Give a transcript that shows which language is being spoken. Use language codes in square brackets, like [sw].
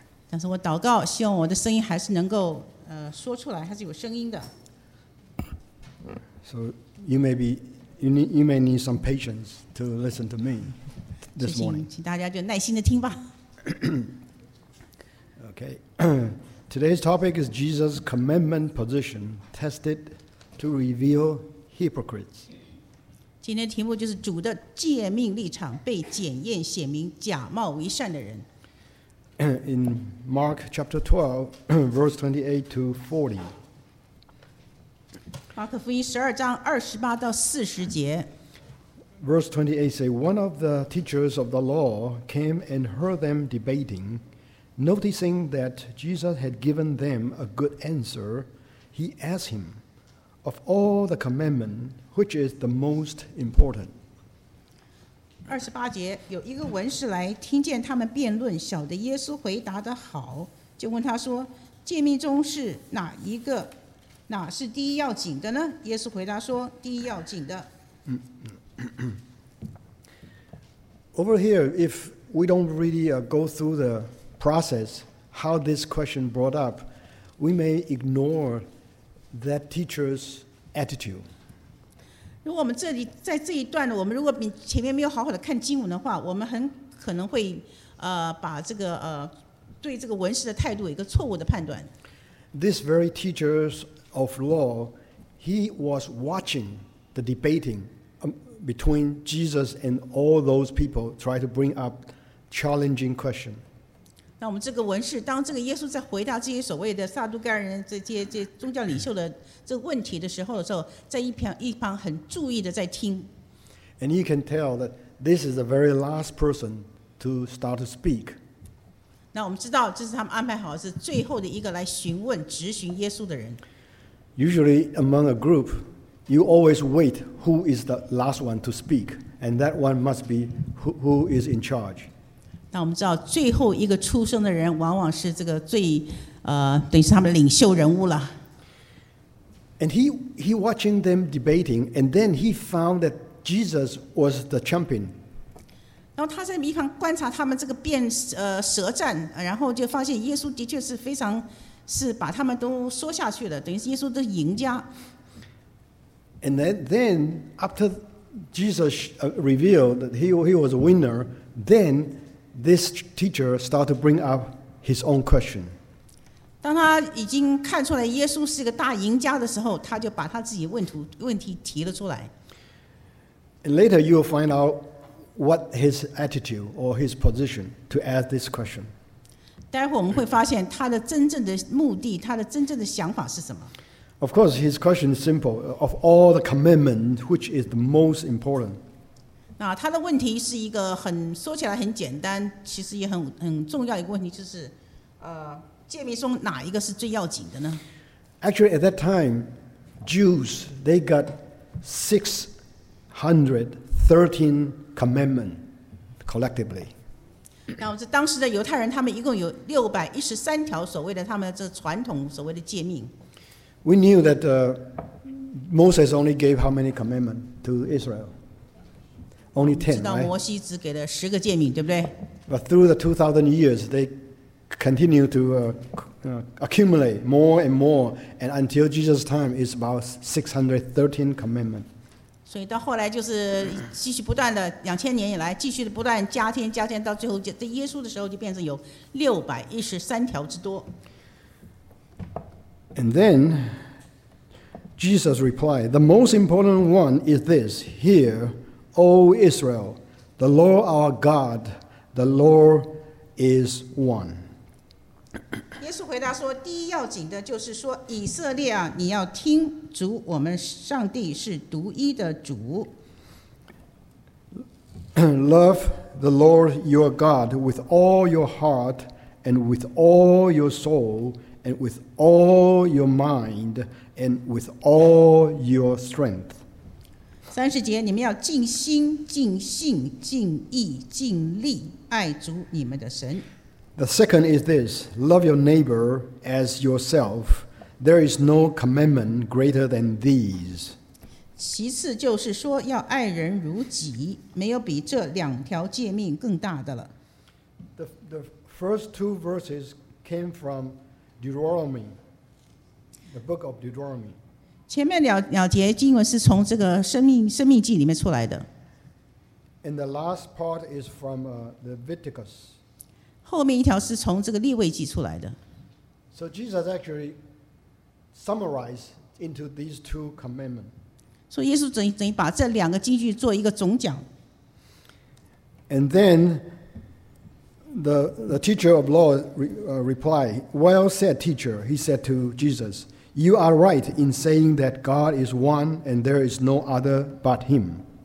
[zh] 但是我祷告，希望我的声音还是能够说出来，还是有声音的。 [en] So you may be, you may need some patience to listen to me this morning. [zh] 请大家就耐心的听吧。 [en] Okay, today's topic is Jesus' commitment position tested to reveal hypocrites. [zh] 今天的题目就是主的诫命立场被检验，显明假冒为善的人。 [en] In Mark chapter 12, verse 28 to 40. [zh] Mark 福音十二章二十八到四十节。 [en] Verse 28 says, one of the teachers of the law came and heard them debating. Noticing that Jesus had given them a good answer, he asked him, of all the commandments, which is the most important? [zh] 二十八节，有一个文士来听见他们辩论，晓得耶稣回答得好，就问他说：“诫命中是哪一个，哪是第一要紧的呢？” 耶稣回答说：“第一要紧的。” [en] Over here, if we don't really go through the process how this question brought up, we may ignore that teacher's attitude. [zh] 如果我们这里在这一段，我们如果前面没有好好的看经文的话，我们很可能会把这个对这个文士的态度有一个错误的判断。 [en] This very teacher of law, he was watching the debating between Jesus and all those people try to bring up challenging question. [zh] 那我们这个文士，当这个耶稣在回答这些所谓的撒都该人这些宗教领袖的。这个问题的时候的时候，在一旁很注意的在听。 [en] And you can tell that this is the very last person to start to speak. [zh] 那我们知道，这是他们安排好，是最后的一个来询问、质询耶稣的人。 [en] Usually among a group, you always wait who is the last one to speak, and that one must be who is in charge. [zh] 那我们知道，最后一个出声的人往往是这个最等于是他们领袖人物了。 [en] And he watching them debating, and then he found that Jesus was the champion. [zh] 然后他在一旁观察他们这个辩舌战，然后就发现耶稣的确是非常是把他们都说下去了，等于耶稣的赢家。 [en] And then after Jesus revealed that he was a winner, then this teacher started to bring up his own question. [zh] 当他已经看出来耶稣是一个大赢家的时候，他就把他自己问题提了出来。 [en] And later you will find out what his attitude or his position to ask this question. [zh] 待会我们会发现他的真正的目的，他的真正的想法是什么。 [en] Of course, his question is simple. Of all the commandments, which is the most important? [zh] 那他的问题是一个很说起来很简单，其实也很重要一个问题，就是诫命中哪一个是最要紧的呢？ [en] Actually, at that time, Jews, they got 613 commandments collectively. [zh] 那我们当时的犹太人，他们一共有613条所谓的他们这传统所谓的诫命。 [en] We knew that Moses only gave how many commandments to Israel? Only 10, right? [zh] 知道摩西只给了十个诫命，对不对？ [en] But through the 2,000 years, theycontinue to accumulate more and more, and until Jesus' time is about 613 commandments. [zh] 所以到后来就是继续不断的两千年以来继续不断加添加添，到最后在耶稣的时候就变成有613条之多。 [en] And then Jesus replied, "The most important one is this: Hear, O Israel, the Lord our God, the Lord is one." [zh] 耶稣回答说：“第一要紧的就是说，以色列啊，你要听主，我们上帝是独一的主。 [en] Love the Lord your God with all your heart and with all your soul and with all your mind and with all your strength。” [zh] 三十节，你们要尽心、尽性、尽意、尽力爱主你们的神。 [en] The second is this, love your neighbor as yourself. There is no commandment greater than these. [zh] 其次就是说要爱人如己，没有比这两条诫命更大的了。 [en] The first two verses came from Deuteronomy, the book of Deuteronomy. [zh] 前面两节经文是从这个生命记里面出来的。 [en] And the last part is from the Leviticus. [zh] 后面一条是从这个利未记出来的。 [en] So Jesus actually summarized into these two commandments. [zh] 所以耶稣等于把这两个经句做一个总讲。 [en] And then the teacher of law replied, "Well said, teacher," he said to Jesus, "You are right in saying that God is one and there is no other but him."